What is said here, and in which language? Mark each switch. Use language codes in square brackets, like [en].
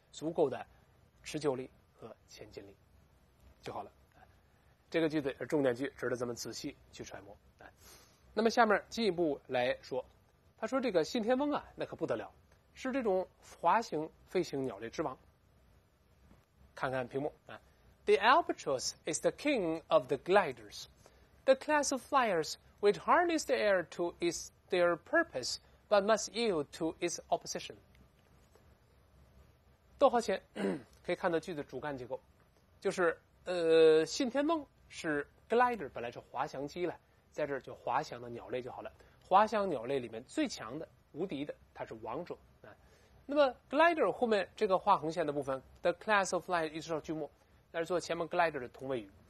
[zh] 足够的持久力和前进力就好了。这个句子是重点句，值得咱们仔细去揣摩。那么下面进一步来说，他说这个信天翁啊，那可不得了，是这种滑行飞行鸟类之王。看看屏幕啊， [en] the albatross is the king of the gliders. The class of flyers which harness the air to its their purpose, but must yield to its opposition. [zh] 逗号前可以看到句子主干结构，就是信天翁是 glider， 本来是滑翔机了，在这儿就滑翔的鸟类就好了。滑翔鸟类里面最强的、无敌的，它是王者啊。那么 glider 后面这个画横线的部分 ， [en] the class of flyer [zh] 一直到句末，那是做前面 glider 的同位语。